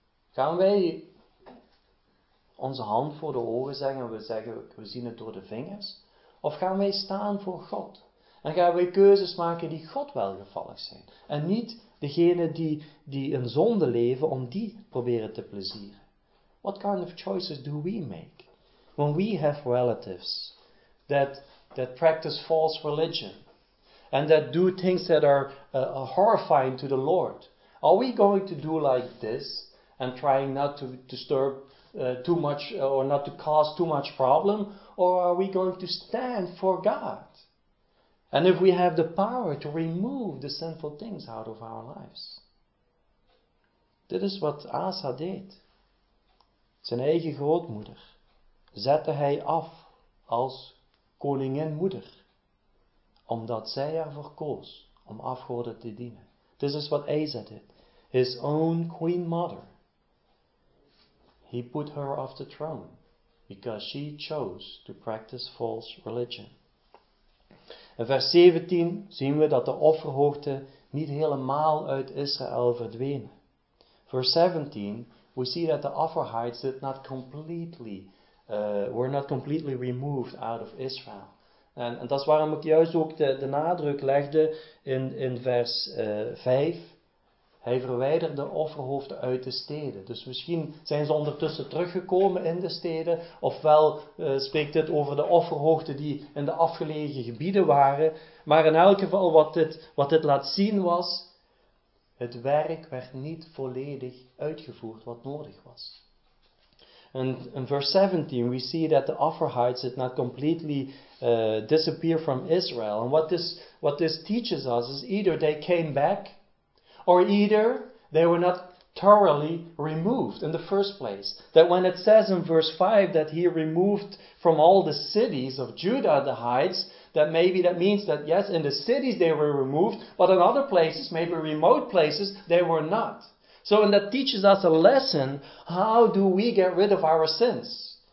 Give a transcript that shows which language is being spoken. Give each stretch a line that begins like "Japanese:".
Dutch: Gaan wij onze hand voor de ogen zeggen en we zien het door de vingers? Of gaan wij staan voor God? En gaan wij keuzes maken die God welgevallig zijn? En niet degene die in zonde leven om die proberen te plezieren.
English: What kind of choices do we make? When we have relatives that practice false religion and that do things that are horrifying to the Lord, are we going to do like this and trying not to disturb too much or not to cause too much problem? Or are we going to stand for God? And if we have the power to remove the sinful things out of our lives.
Dutch: Dit is wat Asa deed. Zijn eigen grootmoeder zette hij af als koninginmoeder, omdat zij ervoor koos om afgoden te dienen.
English: This is what Asa did. His own queen mother. He put her off the throne because she chose to practice false religion.
Dutch: In vers 17 zien we dat de offerhoogte niet helemaal uit Israël verdwenen.
English: Verse 17, we see that the offer heights did not completely were not completely removed out of Israel.
Dutch: En dat is waarom ik juist ook de nadruk legde in vers 5. Hij verwijderde offerhoofden uit de steden. Dus misschien zijn ze ondertussen teruggekomen in de steden. Ofwel spreekt dit over de offerhoogten die in de afgelegen gebieden waren. Maar in elk geval wat dit laat zien was, het werk werd niet volledig uitgevoerd wat nodig was.
English: In verse 17 we see that the offer heights did not completely disappear from Israel. And what this teaches us is either they came back, or either they were not thoroughly removed in the first place. That when it says in verse 5 that he removed from all the cities of Judah the heights, that maybe that means that yes, in the cities they were removed, but in other places, maybe remote places, they were not. So, and that teaches us a lesson. How do we get rid of our sins?